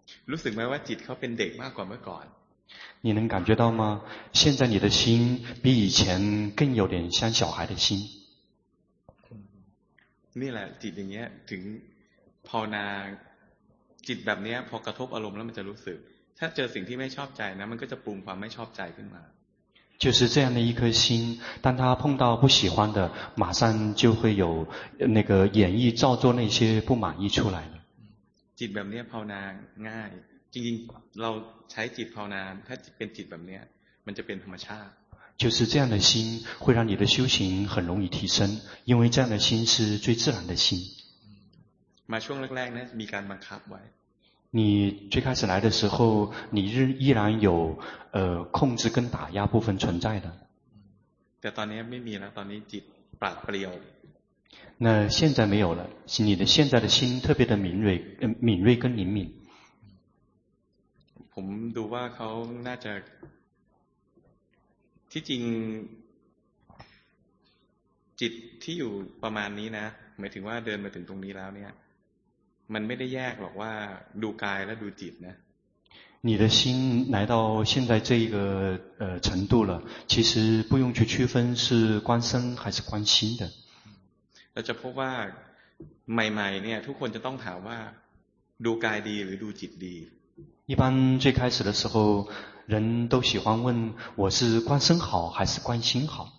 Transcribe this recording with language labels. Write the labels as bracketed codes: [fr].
[th] รู้สึกไหมว่าจิตเขาเป็นเด็กมากกว่าเมื่อก่อน [zh] 你能感觉到吗现在你的心比以前更有点像小孩的心 [th] นี่แหละจิตอย่างเงี้ยถึงภาวนาจิตแบบนี้พอกระทบอารมณ์แล้วมันจะรู้สึกถ้าเจอสิ่งที่ไม่ชอบใจนะมันก็จะปรุงความไม่ชอบใจขึ้นมา [zh] 就是这样的一颗心当他碰到不喜欢的马上就会有那个演绎造作那些不满意出来了 [th] จิตแบบนี้ภาวนาง่ายจริงๆเราใช้จิตภาวนาถ้าเป็นจิตแบบนี้มันจะเป็นธรรมชาติ [zh] 就是这样的心会让你的修行很容易提升因为这样的心是最自然的心 [th] มาช่วงแรกๆนะมีการบังคับไว้ [zh] 你最开始来的时候你依然有控制跟打压部分存在的 [th] แต่ตอนนี้ไม่มีแล้วตอนนี้จิตปราดเปรียว [zh] 那现在没有了你的现在的心特别的敏锐敏锐跟灵敏 [th] ผมดูว่าเขาน่าจะที่จริงจิตที่อยู่ประมาณนี้นะหมายถึงว่าเดินมาถึงตรงนี้แล้วเนี่ยมันไม่ได้แยกหรอกว่าดูกายและดูจิตนะ [zh] 你的心来到现在这个程度了其实不用去区分是观身还是观心的 [th] เราจะพบว่าใหม่ๆเนี่ยทุกคนจะต้องถามว่าดูกายดีหรือดูจิตดี [zh] 一般最开始的时候人都喜欢问我是观身好还是观心好